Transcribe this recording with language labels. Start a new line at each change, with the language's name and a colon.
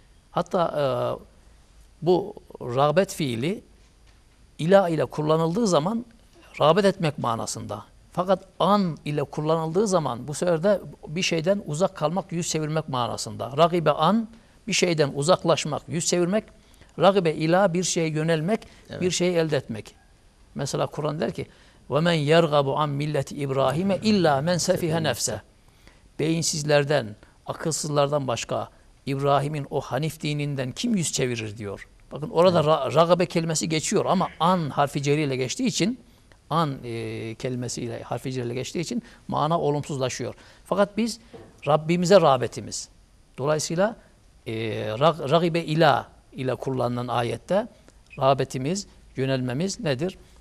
Turkish: Hatta bu rağbet fiili ilah ile kullanıldığı zaman rağbet etmek manasında. Fakat an ile kullanıldığı zaman bu sefer de bir şeyden uzak kalmak, yüz çevirmek manasında. Ragibe an, bir şeyden uzaklaşmak, yüz çevirmek. Ragibe ilah, bir şeye yönelmek, evet. Bir şeyi elde etmek. Mesela Kur'an der ki,
Arabic: وَمَنْ يَرْغَبُ عَنْ مِلَّةِ اِبْرَاهِيمَ اِلَّا مَنْ سَفِهَ نَفْسَ.
Turkish: Beyinsizlerden, akılsızlardan başka İbrahim'in o hanif dininden kim yüz çevirir diyor. Bakın orada evet. Ragibe kelimesi geçiyor ama an harfi ceriyle geçtiği için, an kelimesiyle, harficiyle geçtiği için mana olumsuzlaşıyor. Fakat biz Rabbimize rağbetimiz. Dolayısıyla ragibe ilah ile kullanılan ayette rağbetimiz, yönelmemiz nedir?